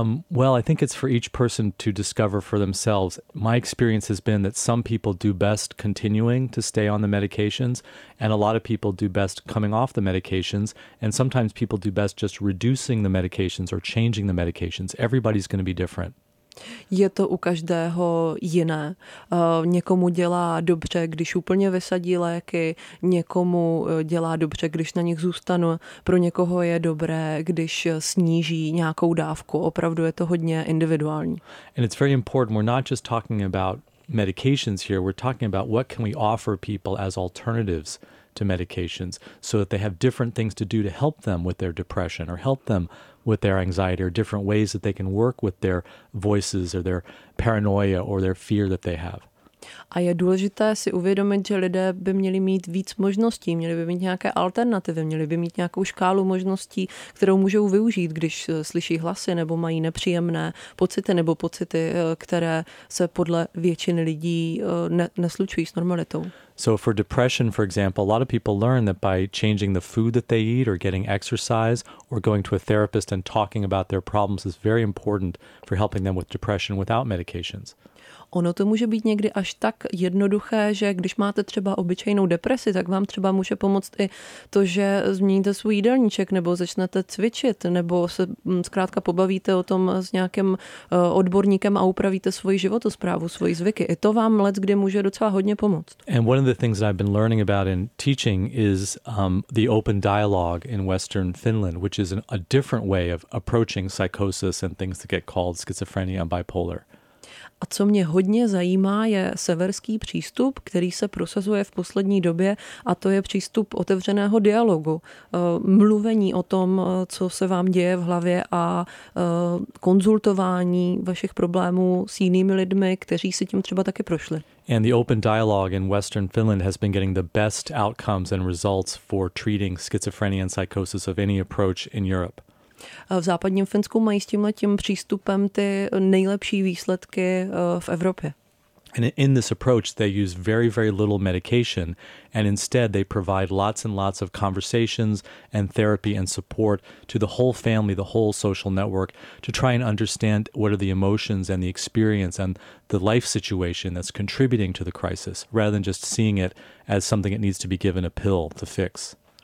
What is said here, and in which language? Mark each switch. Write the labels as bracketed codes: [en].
[en] Well, I think it's for each person to discover for themselves. My experience has been that some people do best continuing to stay on the medications, and a lot of people do best coming off the medications, and sometimes people do best just reducing the medications or changing the medications. Everybody's going to be different. [cs] Je to u každého jiné. Někomu dělá dobře, když úplně vysadí léky, někomu dělá dobře, když na nich zůstane. Pro někoho je dobré, když sníží nějakou dávku. Opravdu je to hodně individuální. [en] And it's very important. We're not just talking about medications here, we're talking about what can we offer people as alternatives to medications so that they have different things to do to help them with their depression or help them with their anxiety or different ways that they can work with their voices or their paranoia or their fear that they have. [cs] A je důležité si uvědomit, že lidé by měli mít víc možností, měli by mít nějaké alternativy, měli by mít nějakou škálu možností, kterou můžou využít, když slyší hlasy nebo mají nepříjemné pocity nebo pocity, které se podle většiny lidí neslučují s normalitou. [en] So for depression, for example, a lot of people learn that by changing the food that they eat or getting exercise or going to a therapist and talking about their problems is very important for helping them with depression without medications. [cs] Ono to může být někdy až tak jednoduché, že když máte třeba obyčejnou depresi, tak vám třeba může pomoct i to, že změníte svůj jídelníček nebo začnete cvičit nebo se zkrátka pobavíte o tom s nějakým odborníkem a upravíte svoji životosprávu, svoji zvyky. I to vám leckdy může docela hodně pomoct. [en] And one of the things that I've been learning about in teaching is the open dialogue in Western Finland, which is a different way of approaching psychosis and things that get called schizophrenia and bipolar. [cs] A co mě hodně zajímá, je severský přístup, který se prosazuje v poslední době, a to je přístup otevřeného dialogu, mluvení o tom, co se vám děje v hlavě a konzultování vašich problémů s jinými lidmi, kteří si tím třeba taky prošli. [en] And the open dialogue in Western Finland has been getting the best outcomes and results for treating schizophrenia and psychosis of any approach in Europe. [cs] V západním Finsku mají s tímhletím přístupem ty nejlepší výsledky v Evropě. [en] And in this approach they use very, very little medication and instead they provide lots and lots of conversations and therapy and support to the whole family, the whole social network to try and understand what are the emotions and the experience and the life situation that's contributing to the crisis rather than just seeing it as something that needs to be given a pill to fix.